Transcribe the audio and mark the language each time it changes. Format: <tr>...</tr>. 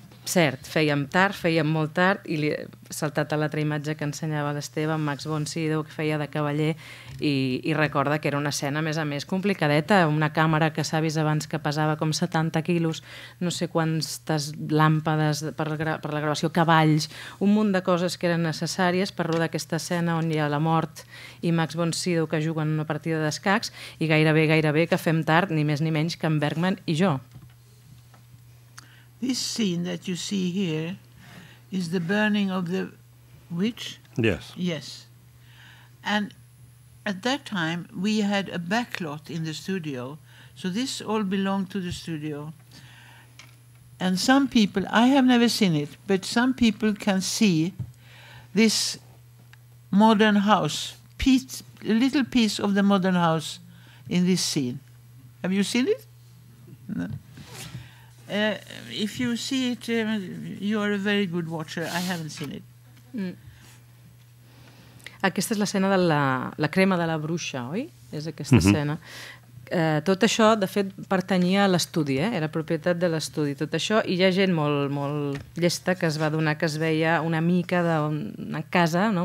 <ca>Cert, fèiem molt tard i li he saltat a l'altra imatge que ensenyava l'Esteve, en Max von Sydow, que feia de cavaller, i recorda que era una escena, a més, complicadeta, una càmera que s'ha vist abans que pesava com 70 quilos, no sé quantes làmpades per la gravació, cavalls, un munt de coses que eren necessàries per rodar aquesta escena on hi ha la mort i Max von Sydow que juguen una partida d'escacs, i gairebé que fem tard, ni més ni menys que en Bergman i jo.</ca> <en>This scene that you see here is the burning of the witch? Yes. Yes. And at that time, we had a backlot in the studio, so this all belonged to the studio. And some people, I have never seen it, but some people can see this modern house, a little piece of the modern house in this scene. Have you seen it? No. If you see it, you are a very good watcher. I haven't seen it. Mm.</en> <ca>Aquesta és l'escena de la crema de la bruixa, oi? És aquesta escena. Tot això, de fet, pertanyia a l'estudi, era propietat de l'estudi, tot això, i hi ha gent molt, molt llesta que es va adonar que es veia una mica d'una casa, no?</ca>